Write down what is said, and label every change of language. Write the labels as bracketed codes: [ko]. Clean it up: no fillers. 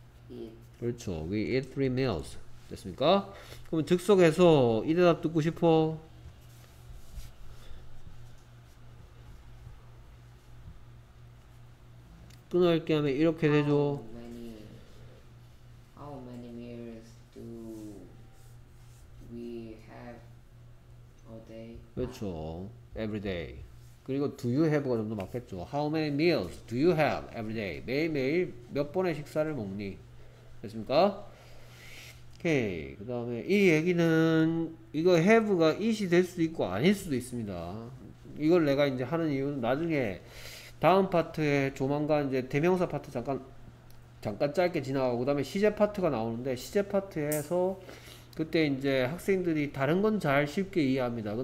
[en] Eat. [ko] 그렇죠. [en] We eat three meals. [ko] 됐습니까? 그럼 즉석에서 이 대답 듣고 싶어? 끊어읽기 하면 이렇게 되죠. [en] How many meals do we have a day? [ko] 그렇죠. [en] Every day. [ko] 그리고 [en] do you have [ko] 가 좀 더 맞겠죠. [en] How many meals do you have every day? [ko] 매일매일 몇 번의 식사를 먹니? 됐습니까? 오케이. 그 다음에 이 얘기는 이거 have가 it이 될 수도 있고 아닐 수도 있습니다. 이걸 내가 이제 하는 이유는 나중에 다음 파트에 조만간 이제 대명사 파트 잠깐 짧게 지나가고 그 다음에 시제 파트가 나오는데 시제 파트에서 그때 이제 학생들이 다른 건 잘 쉽게 이해합니다.